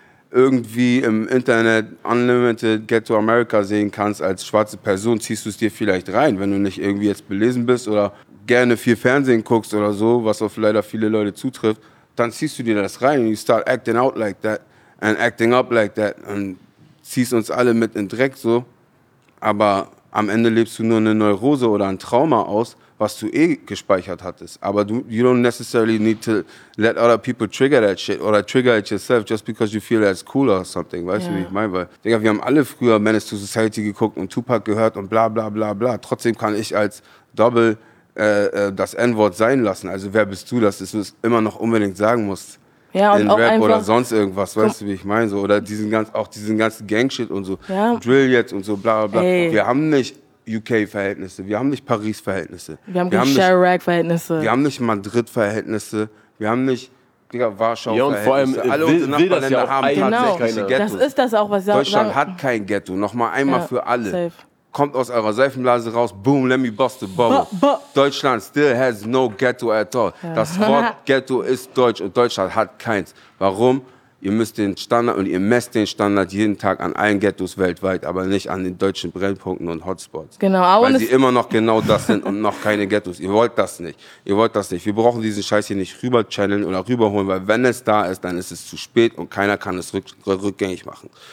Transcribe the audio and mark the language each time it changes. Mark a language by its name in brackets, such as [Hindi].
[German] irgendwie im Internet Unlimited Get to America sehen kannst als schwarze Person, ziehst du es dir vielleicht rein, wenn du nicht irgendwie jetzt belesen bist oder gerne viel Fernsehen guckst oder so, was auf leider viele Leute zutrifft, dann ziehst du dir das rein und [English] you start acting out like that [German] and acting up like that und ziehst uns alle mit in Dreck so, aber am Ende lebst du nur eine Neurose oder ein Trauma aus, was du eh gespeichert hattest. Aber [English] you don't necessarily need to let other people trigger that shit or trigger it yourself just because you feel that's cool or something. [German] Weißt du, wie ich meine? Weil, Digga, wir haben alle früher Menace to Society geguckt und Tupac gehört und bla bla bla bla. Trotzdem kann ich als Double das N-Wort sein lassen. Also wer bist du, dass du es immer noch unbedingt sagen musst? Ja, und in auch Rap einfach, oder sonst irgendwas, weißt du, wie ich meine? So, oder diesen ganzen, auch diesen ganzen Gangshit und so. Ja. Drill jetzt und so bla bla bla. Ey. Wir haben nicht UK-Verhältnisse, wir haben nicht Paris-Verhältnisse. Wir haben Chirac-Verhältnisse. Wir haben nicht Madrid-Verhältnisse. Wir haben nicht, Digga, Warschau-Verhältnisse. Ja, und vor allem, alle unsere Nachbarländer haben tatsächlich keine Ghetto. Das ist das auch, was sie Deutschland sagen. Hat kein Ghetto. Nochmal einmal für alle. [English] Safe. [German] Kommt aus eurer Seifenblase raus, boom, [English] let me bust the bubble. Deutschland still has no Ghetto at all. Ja. [German] Das Wort Ghetto ist deutsch und Deutschland hat keins. Warum? Ihr müsst den Standard und ihr messt den Standard jeden Tag an allen Ghettos weltweit, aber nicht an den deutschen Brennpunkten und Hotspots. Genau, aber weil sie immer noch genau das sind und noch keine Ghettos. Ihr wollt das nicht. Ihr wollt das nicht. Wir brauchen diesen Scheiß hier nicht rüberchanneln oder rüberholen, weil wenn es da ist, dann ist es zu spät und keiner kann es rückgängig machen.